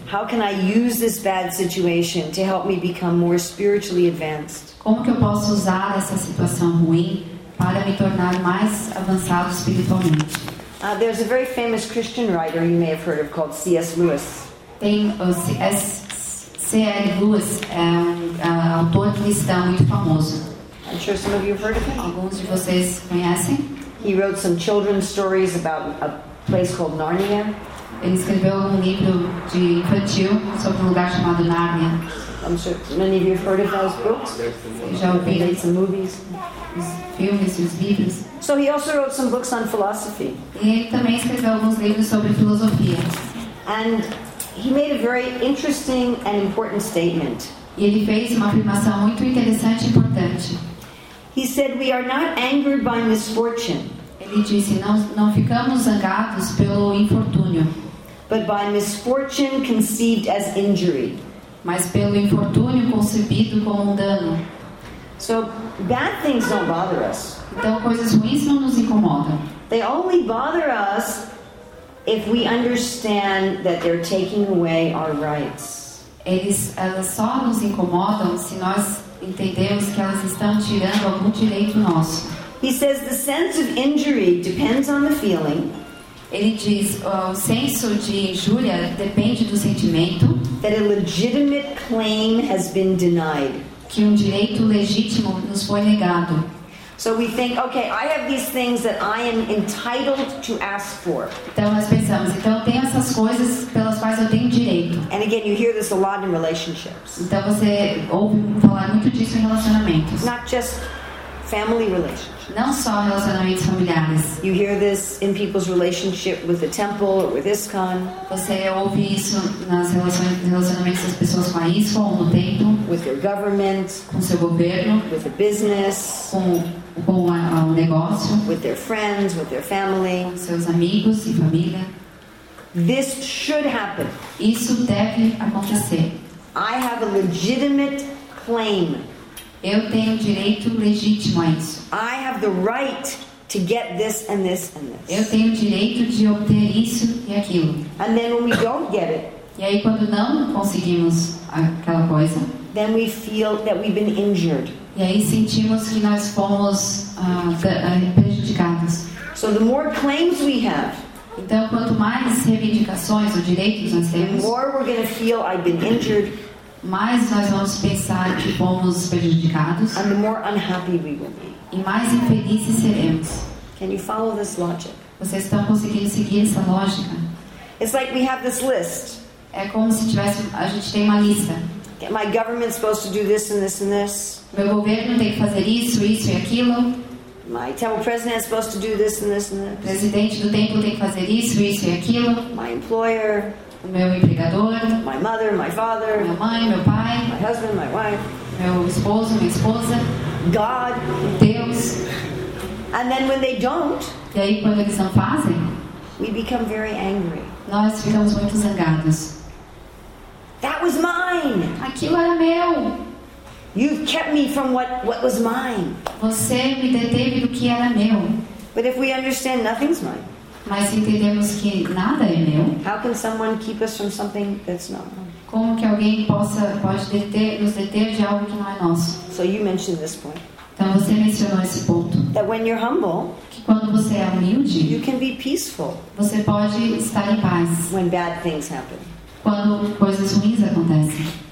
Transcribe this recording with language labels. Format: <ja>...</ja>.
<en>How can I use this bad situation to help me become more spiritually advanced?</en> <pt>Como que eu posso usar essa situação ruim para me tornar mais avançado espiritualmente?</pt> <en>There's a very famous Christian writer you may have heard of called C.S. Lewis.</en> <pt>Tem o C.S. Lewis, é um autor cristão muito famoso.</pt> <en>I'm sure some of you have heard of him.</en> <pt>Alguns de vocês conhecem?</pt> <en>He wrote some children's stories about a place called Narnia.</en> <pt>Ele escreveu um livro de infantil sobre um lugar chamado Narnia.</pt> <en>I'm sure many of you have heard of those books.</en> <pt>Já ouviram</pt> <en>some movies,</en> <pt>filmes, os livros.</pt> <en>So he also wrote some books on philosophy.</en> <pt>E ele também escreveu alguns livros sobre filosofia.</pt> <en>And he made a very interesting and important statement.</en> <pt>E ele fez uma afirmação muito interessante e importante.</pt> <en>He said, "We are not angered by misfortune."</en> <pt>Ele disse, não ficamos zangados pelo infortúnio.</pt> <en>But by misfortune conceived as injury.</en> <pt>Mas pelo infortúnio concebido como dano.</pt> <en>So bad things don't bother us.</en> <pt>Então coisas ruins não nos incomodam.</pt> <en>They only bother us if we understand that they're taking away our rights.</en> <pt>Elas só nos incomodam se nós entendemos que elas estão tirando algum direito nosso.</pt> <en>He says the sense of injury depends on the feeling.</en> <pt>Ele diz, o senso de injúria depende do sentimento.</pt> <en>That a legitimate claim has been denied.</en> <pt>Que direito legítimo nos foi negado.</pt> <en>So we think, okay, I have these things that I am entitled to ask for.</en> <pt>Então nós pensamos, então tem essas coisas pelas quais eu tenho direito.</pt> <en>And again, you hear this a lot in relationships.</en> <pt>Então você ouve falar muito disso em relacionamentos.</pt> <en>Not just family relationships.</en> <pt>Não só relacionamentos familiares.</pt> <en>You hear this in people's relationship with the temple or with ISKCON.</en> <pt>Você ouve isso nas relacionamentos das pessoas com a ISKCON ou no templo.</pt> <en>With your government.</en> <pt>Com seu governo.</pt> <en>With a business.</en> <pt>Com um negócio.</pt> <en>With their friends, with their family.</en> <pt>Com seus amigos e família.</pt> <en>This should happen.</en> <pt>Isso deve acontecer.</pt> <en>I have a legitimate claim.</en> <pt>Eu tenho direito legítimo a isso.</pt> <en>I have the right to get this and this and this.</en> <pt>Eu tenho o direito de obter isso e aquilo.</pt> <en>And then when we don't get it,</en> <pt>e aí quando não conseguimos aquela coisa,</pt> <en>then we feel that we've been injured.</en> <pt>E aí sentimos que nós fomos prejudicados.</pt> <en>So the more claims we have,</en> <pt>então quanto mais reivindicações ou direitos nós temos,</pt> <en>the more we're going to feel I've been injured,</en> <pt>mais nós vamos pensar que fomos prejudicados,</pt> <en>and the more unhappy we will be.</en> <pt>E mais infelizes seremos.</pt> <en>Can you follow this logic?</en> <pt>Vocês estão conseguindo seguir essa lógica?</pt> <en>It's like we have this list.</en> <pt>É como se tivesse, a gente tem uma lista.</pt> <en>My government's supposed to do this and this and this.</en> <pt>Meu governo tem que fazer isso, isso e aquilo.</pt> <en>My temple president is supposed to do this and this and this.</en> <pt>Presidente do templo tem que fazer isso, isso e aquilo.</pt> <en>My employer.</en> <pt>O meu empregador.</pt> <en>My mother, my father.</en> <pt>Minha mãe, meu pai.</pt> <en>My husband, my wife.</en> <pt>Meu esposo, minha esposa.</pt> <en>God.</en> <pt>Deus.</pt> <en>And then when they don't,</en> <pt>e aí quando eles não fazem,</pt> <en>we become very angry.</en> <pt>Nós ficamos muito zangados.</pt> <en>That was mine.</en> <pt>Aquilo era meu.</pt> <en>You've kept me from what was mine.</en> <pt>Você me deteve do que era meu.</pt> <en>But if we understand nothing's mine,</en> <pt>mas entendemos que nada é meu,</pt> <en>how can someone keep us from something that's not mine?</en> <pt>Como que alguém pode nos deter de algo que não é nosso?</pt> <en>So you mentioned this point.</en> <pt>Então você mencionou esse ponto.</pt> <en>That when you're humble,</en> <pt>que quando você é humilde,</pt> <en>you can be peaceful.</en> <pt>Você pode estar em paz.</pt> <en>When bad things happen.</en> <pt>Quando coisas ruins acontecem.</pt>